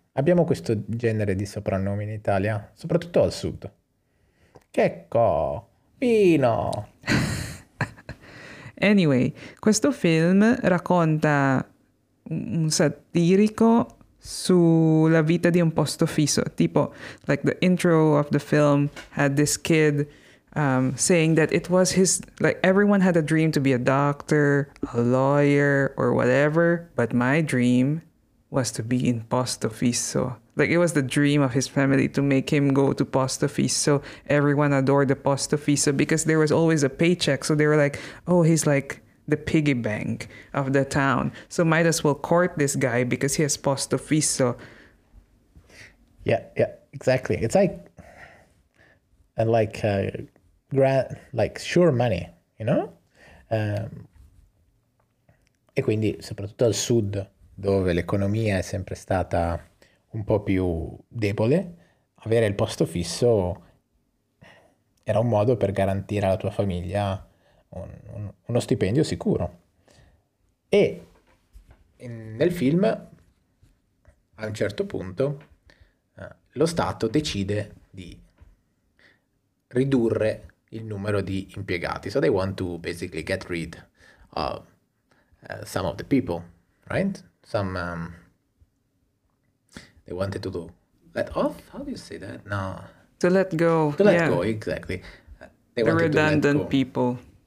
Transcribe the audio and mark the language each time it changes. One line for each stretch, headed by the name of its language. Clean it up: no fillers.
Italian: Abbiamo questo genere di soprannomi in Italia, soprattutto al sud. Checco, Pino.
English: Anyway,
Italian: questo film racconta un satirico sulla vita di un posto fisso, tipo,
English: like the intro of the film had this kid saying that it was his, like everyone had a dream to be a doctor, a lawyer, or whatever, but my dream was to be in Posto Fisso. Like, it was the dream of his family to make him go to Posto Fisso. Everyone adored the Posto Fisso because there was always a paycheck. So they were like, oh, he's like the piggy bank of the town. So might as well court this guy because he has Posto Fisso. Yeah, exactly. It's like, and like, grant, like sure money, you know?
Italian: E quindi, soprattutto al sud, dove l'economia è sempre stata un po' più debole, avere il posto fisso era un modo per garantire alla tua famiglia uno stipendio sicuro. E nel film, a un certo punto, lo Stato decide di ridurre il numero di impiegati.
English: So they want to basically get rid of some of the people, right? Some they wanted to do let off. How do you say that? No, to let go. To let go, exactly. They wanted redundant to let people.